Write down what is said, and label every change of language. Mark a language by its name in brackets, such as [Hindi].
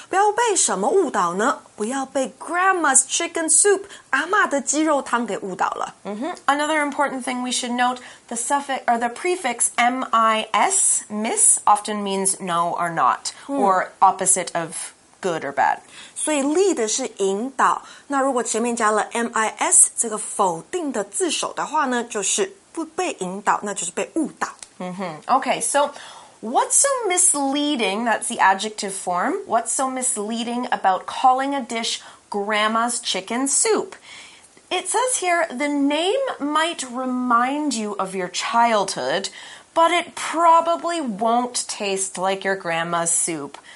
[Chinese] 不要被什么误导呢？不要被 [English] grandma's chicken soup, [Chinese] 阿嬷的鸡肉汤给误导了。 Mm-hmm. [English] Another important thing we should note, the prefix M-I-S, miss, often means no or not, or opposite of good or bad. [Chinese] 所以 lead 是引导，那如果前面加了 M-I-S, 这个否定的字首的话呢，就是不被引导，那就是被误导。 [English] Mm-hmm. Okay, so... What's so misleading, that's the adjective form, what's so misleading about calling a dish Grandma's Chicken Soup? It says here, the name might remind you of your childhood, but it probably won't taste like your grandma's soup.